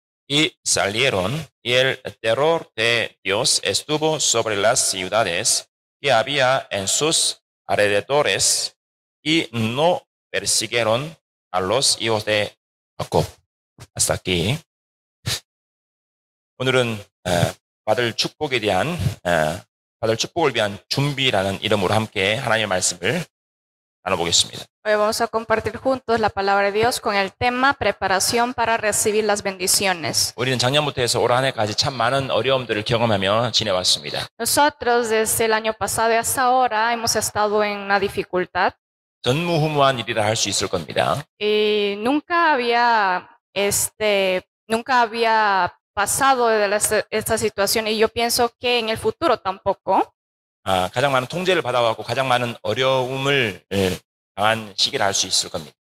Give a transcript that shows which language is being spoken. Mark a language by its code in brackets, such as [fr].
[es] Y salieron, y el terror de Dios estuvo sobre las ciudades que había en sus alrededores, y no persiguieron a los hijos de Jacob. Hasta aquí. [ko] 오늘은 받을 축복에 대한, 받을 축복을 위한 준비라는 이름으로 함께 하나님의 말씀을 나눠보겠습니다. [es] Hoy vamos a compartir juntos la palabra de Dios con el tema preparación para recibir las bendiciones. [ko] 우리는 작년부터 해서 올 한해까지 참 많은 어려움들을 경험하며 지내왔습니다. [es] Nosotros desde el año pasado hasta ahora hemos estado en una dificultad. [ko] 전무후무한 일이라 할 수 있을 겁니다. [es] Y nunca había pasado de esta situación y yo pienso que en el futuro tampoco. [ko] 가장 많은 통제를 받아왔고 가장 많은 어려움을 한 시기를 할 수 있을 겁니다.